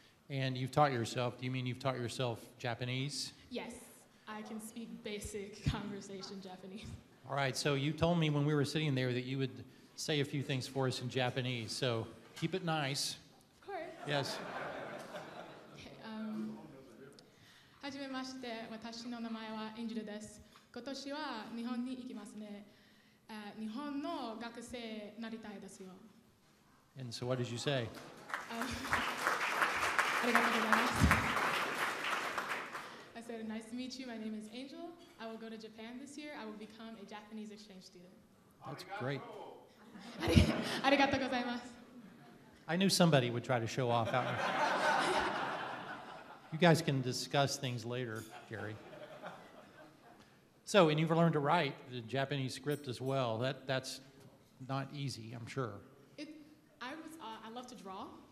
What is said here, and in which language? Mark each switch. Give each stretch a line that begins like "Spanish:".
English: And you've taught yourself, do you mean you've taught yourself Japanese? Yes, I can speak basic conversation Japanese. All right, so you told me when we were sitting there that you would say a few things for us in Japanese, so keep it nice. Of course. Yes.
Japanese: はじめまして、私の名前はエンジェルです。今年は日本に行きますね。日本の学生になりたいですよ。
English: And so what did you say?
Japanese: ありがとうございます。
English: I said, nice to meet you. My name is Angel. I will go to Japan this year. I will become a Japanese exchange student. That's great.
Japanese: ありがとうございます。
English: I knew somebody would try to show off out there. You guys can discuss things later, Gary. So, and you've learned to write the Japanese script as well. That's not easy, I'm sure. I love to draw.